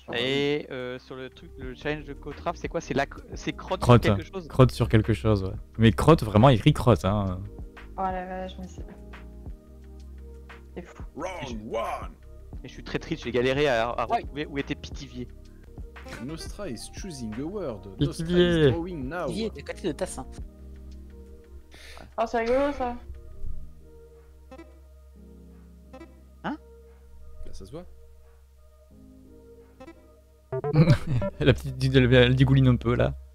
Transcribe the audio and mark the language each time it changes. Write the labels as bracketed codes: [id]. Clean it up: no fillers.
[fr] Et sur le truc, le challenge de Cotraf, c'est quoi? C'est crotte sur quelque chose. Crotte sur quelque chose, ouais. Mais crotte, vraiment, écrit crotte, hein. Oh la vache, mais c'est. C'est fou. [en] Round 1! [fr] Et je suis très triste, j'ai galéré à retrouver où était Pitivier. [en] Nostra is choosing a word. Pitivier. Nostra is drawing now. [fr] Pitivier est à côté de Tassin. Oh, c'est rigolo ça. Hein? Là, ça se voit. La petite. Elle dégouline un peu là.